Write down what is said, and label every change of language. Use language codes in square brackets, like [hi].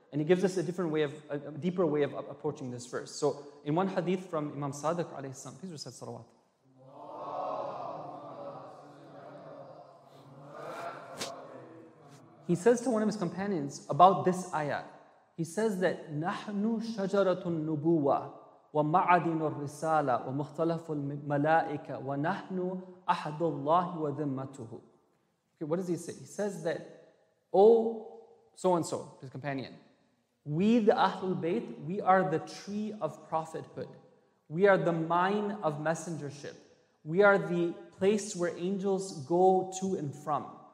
[en] And it gives us a different way of, a deeper way of approaching this verse. So in one hadith from Imam Sadiq alayhi salam, please recite salawat. he says to one of his companions about this ayat. He says that [ar] نَحْنُ شَجَرَةُ النُّبُوَّةِ وَمَعَدِنُ الرِّسَالَةِ وَمُخْتَلَفُ الْمَلَائِكَةِ وَنَحْنُ أَحْدُ اللَّهِ وَذِمَّتُهُ. [en] Okay, what does he say? He says that, oh, so-and-so, his companion, we the Ahlul Bayt, we are the tree of prophethood. We are the mine of messengership. We are the place where angels go to and from.